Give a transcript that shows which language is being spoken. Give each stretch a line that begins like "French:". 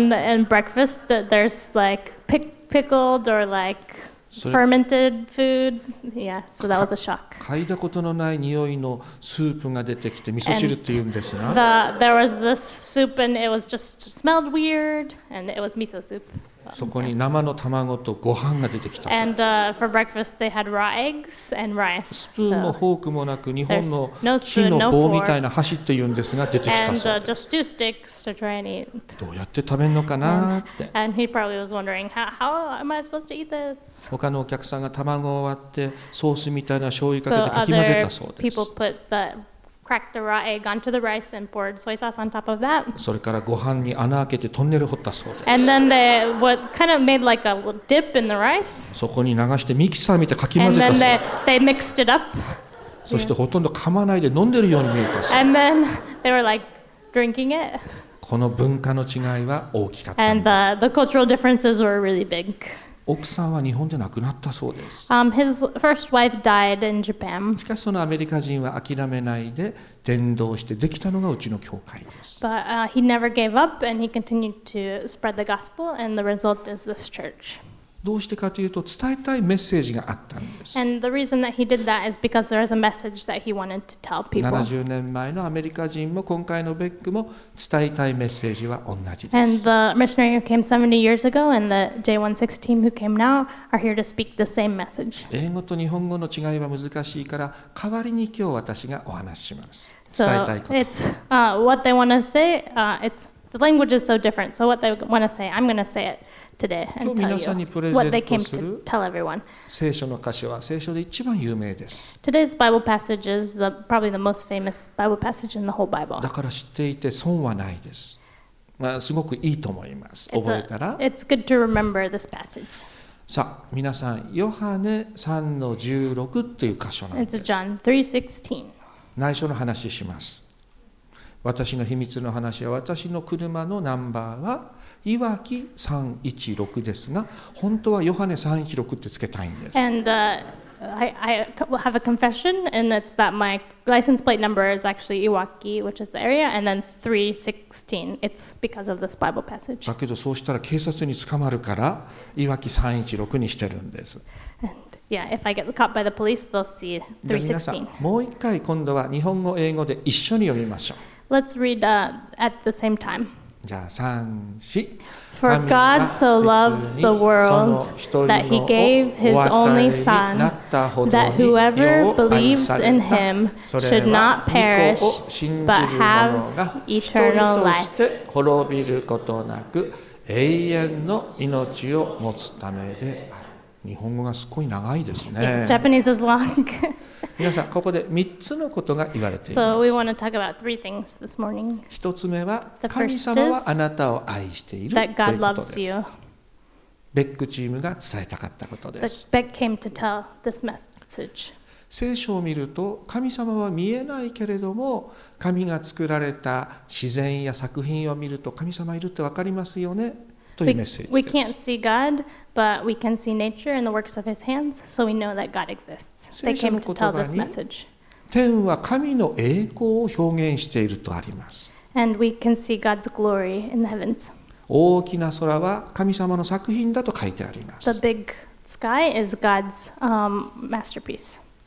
English: And in breakfast, there's like pickled or like fermented food. Yeah, so that was a shock.
Japanese: 嗅いだことのない匂いのスープが出てきて、味噌汁って言うんですが。
English: There was this soup and it was just smelled weird and it was miso soup.
Japanese: そこに生の卵とご飯が出てきたそうです。
English: And for breakfast they had raw eggs and rice.
Japanese: スプーンもフォークもなく日本の木の棒みたいな箸って言うんですが出てきたそうです。
English: And just two sticks to try and eat.
Japanese: どうやって食べるのかなって。
English: And he probably was wondering how am I supposed to eat this?
Japanese: 他のお客さんが卵を割ってソースみたいな醤油かけてかき混ぜたそうです。
English: So other people put theCracked the raw egg onto the rice and poured soy sauce on top of that.
Japanese: それからご飯に穴開けてトンネル掘ったそうです。
English: And then they what kind of made like a little dip in the rice.
Japanese: そこに流してミキサー見てかき混ぜたそうです。
English: And then they mixed it up.
Japanese: そしてほとんど噛まないで飲んでるように見えたそうです。
English: And then they were like drinking it.
Japanese: この文化の違いは大きかったんです。
English: And the cultural differences were really big.
Japanese: 奥さんは日本で亡くなったそうです。
English: His first wife died in Japan.
Japanese: しかしそのアメリカ人は諦めないで伝道してできたのがうちの教会です。
English: But he never gave up and he continued to spread the gospel and the result is this church.
Japanese: どうしてかというと伝えたいメッセージがあったんです。
English: And the reason that he did that is because there is a message that he wanted to tell people.
Japanese: 70年前のアメリカ人も今回のベックも伝えたいメッセージは同じです。
English: And the missionary who came 70 years ago and the J16 team who came now are here to speak the same message.
Japanese: 英語と日本語の違いは難しいから代わりに今日私がお話します。伝えたいこと。
English: So it's what they want to say. It's the language is so different. So what they want to say, I'm going to say it.
Japanese: 今日皆さんにプレゼントする聖書の箇所は聖書で一番有名です。
English: Today's Bible passage is probably the most famous Bible passage in the whole Bible.
Japanese: だから知っていて損はないです。まあすごくいいと思います。覚えたら
English: It's good to remember this passage.
Japanese: さあ皆さん、ヨハネ 3-16 という箇所なんです。
English: It's John 3:16.
Japanese: 内緒の話します。私の秘密の話は、私の車のナンバーはいわき316ですが、本当はヨハネ316ってつけたいんです。
English: And, I have a confession, and it's that my license plate number is actually Iwaki, which is the area, and then 316. It's because of this Bible passage.
Japanese: だけどそうしたら警察に捕まるから、いわき316にしてるんです。
English: Yeah, if I get caught by the police, they'll see 316.
Japanese: じゃあ皆さん、もう一回今度は日本語、英語で一緒に読みましょう。
English: Let's read at the same time.
Japanese: じゃあ三四。
English: For God so loved the world that he gave his only son, that whoever believes in him should not perish, but have eternal life.
Japanese: 滅びることなく永遠の命を持つためである。日本語がすごい長いですね。
English: Japanese is long.
Japanese: 皆さん、ここで3つのことが言われています。
English: So we want to talk about three things this morning.
Japanese: 1つ目は、神様はあなたを愛しているということです。
English: That God loves you.
Japanese: ベックチームが伝えたかったことです。
English: But Beck came to tell this message.
Japanese: 聖書を見ると、神様は見えないけれども、神が作られた自然や作品を見ると、神様いるって分かりますよね、というメッセージです。
English: We can't see God. But we can see nature and the works of his hands, so we know that God exists. They came to tell this message.
Japanese: 天は神の栄光を表現しているとあります。
English: And we can see God's glory in the heavens.
Japanese: 大きな空は神様の作品だと書いてあります。
English: The big sky is God's masterpiece.